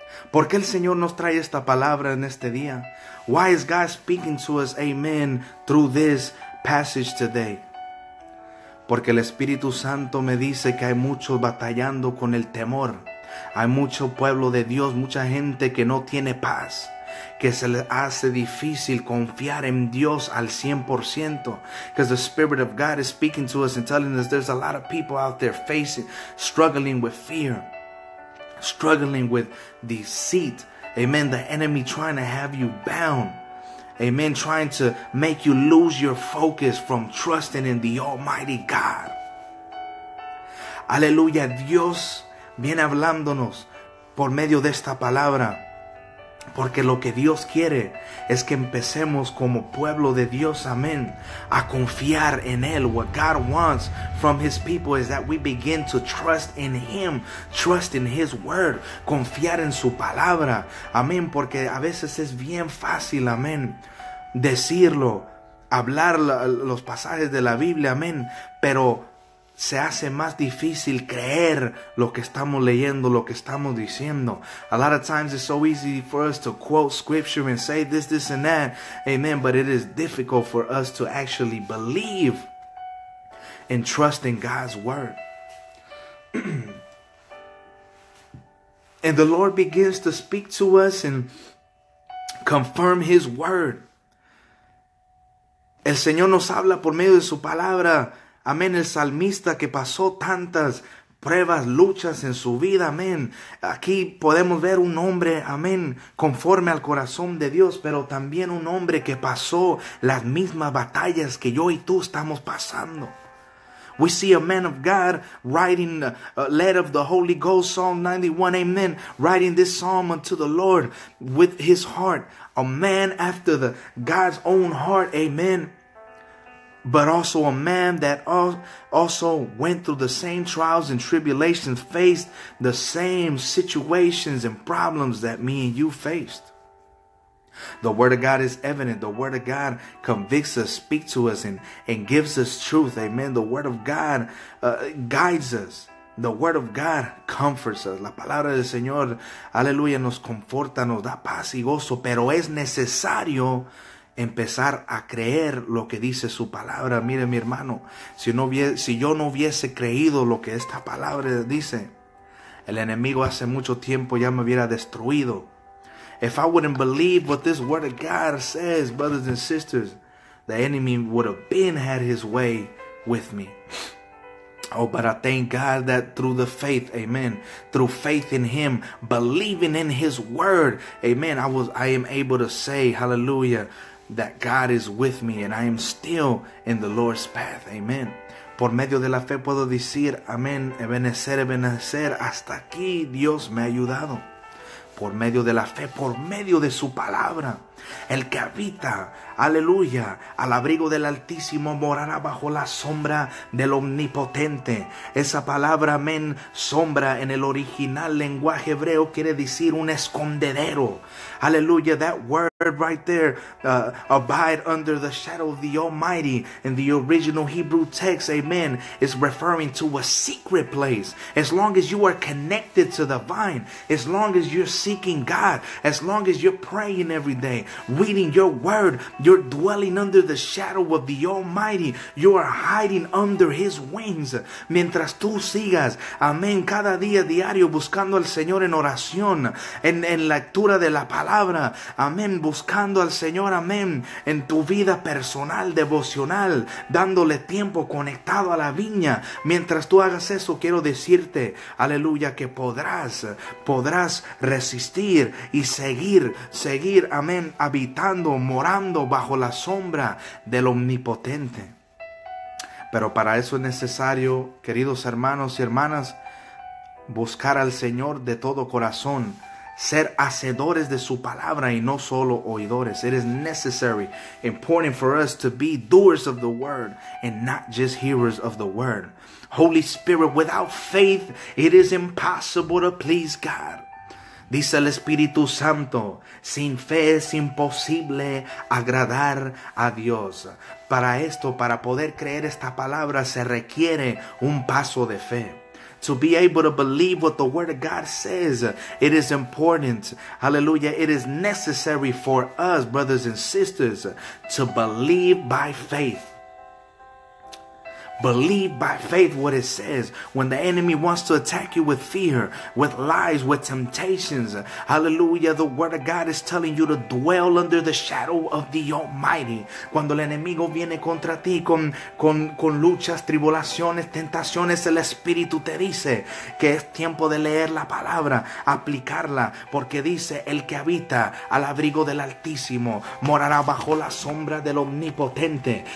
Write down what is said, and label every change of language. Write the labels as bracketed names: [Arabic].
[Spanish] ¿Por qué el Señor nos trae esta palabra en este día? [English] Why is God speaking to us, amen, through this passage today? [Spanish] Porque el Espíritu Santo me dice que hay muchos batallando con el temor. Hay mucho pueblo de Dios, mucha gente que no tiene paz, que se le hace difícil confiar en Dios al 100%. [English] Because the Spirit of God is speaking to us and telling us there's a lot of people out there facing, struggling with fear, struggling with deceit. Amen. The enemy trying to have you bound. Amen, trying to make you lose your focus from trusting in the Almighty God. [Spanish] Aleluya, Dios viene hablándonos por medio de esta palabra. Porque lo que Dios quiere es que empecemos como pueblo de Dios, amén, a confiar en Él. [English] What God wants from His people is that we begin to trust in Him, trust in His word, [Spanish] confiar en su palabra, amén. Porque a veces es bien fácil, amén, decirlo, hablar los pasajes de la Biblia, amén, pero se hace más difícil creer lo que estamos leyendo, lo que estamos diciendo. [English] A lot of times it's so easy for us to quote scripture and say this, this and that, amen, but it is difficult for us to actually believe and trust in God's word. And the Lord begins to speak to us and confirm His word. [Spanish] El Señor nos habla por medio de su palabra. Amén, el salmista que pasó tantas pruebas, luchas en su vida, amén. Aquí podemos ver un hombre, amén, conforme al corazón de Dios, pero también un hombre que pasó las mismas batallas que yo y tú estamos pasando. [English] We see a man of God writing a letter of the Holy Ghost, Psalm 91, amen, writing this psalm unto the Lord with his heart. A man after the God's own heart, amen. But also a man that also went through the same trials and tribulations, faced the same situations and problems that me and you faced. The word of God is evident. The word of God convicts us, speaks to us, and gives us truth. Amen. The word of God guides us. The word of God comforts us. [Spanish] La palabra del Señor, aleluya, nos conforta, nos da paz y gozo. Pero es necesario empezar a creer lo que dice su palabra. Mire, mi hermano, si yo no hubiese creído lo que esta palabra dice, el enemigo hace mucho tiempo ya me hubiera destruido. [English] If I wouldn't believe what this word of God says, brothers and sisters, the enemy would have been had his way with me. Oh, but I thank God that through the faith, amen, through faith in Him, believing in His word, amen, I am able to say, hallelujah, that God is with me and I am still in the Lord's path. Amen. [Spanish] Por medio de la fe puedo decir amén, ebenecer, ebenecer. Hasta aquí Dios me ha ayudado. Por medio de la fe, por medio de su palabra. El que habita, aleluya, al abrigo del Altísimo morará bajo la sombra del Omnipotente. Esa palabra, amén, sombra en el original lenguaje hebreo quiere decir un escondedero. [English] Aleluya, that word right there, abide under the shadow of the Almighty. In the original Hebrew text, amen, is referring to a secret place. As long as you are connected to the vine, as long as you're seeking God, as long as you're praying every day, reading your word, you're dwelling under the shadow of the Almighty. You are hiding under His wings. [Spanish] Mientras tú sigas, amén, cada día diario buscando al Señor en oración, en lectura de la palabra, amén, buscando al Señor, amén, en tu vida personal, devocional, dándole tiempo conectado a la viña. Mientras tú hagas eso, quiero decirte, aleluya, que podrás resistir y seguir, amén, habitando, morando bajo la sombra del Omnipotente. Pero para eso es necesario, queridos hermanos y hermanas, buscar al Señor de todo corazón, ser hacedores de su palabra y no solo oidores. [English] It is necessary, important for us to be doers of the word and not just hearers of the word. Holy Spirit, without faith, it is impossible to please God. [Spanish] Dice el Espíritu Santo, sin fe es imposible agradar a Dios. Para esto, para poder creer esta palabra, se requiere un paso de fe. [English] To be able to believe what the Word of God says, it is important. Hallelujah. It is necessary for us, brothers and sisters, to believe by faith. Believe by faith what it says. When the enemy wants to attack you with fear, with lies, with temptations, hallelujah, the word of God is telling you to dwell under the shadow of the Almighty. [Spanish] Cuando el enemigo viene contra ti con luchas, tribulaciones, tentaciones, el Espíritu te dice que es tiempo de leer la palabra, aplicarla, porque dice, el que habita al abrigo del Altísimo morará bajo la sombra del Omnipotente.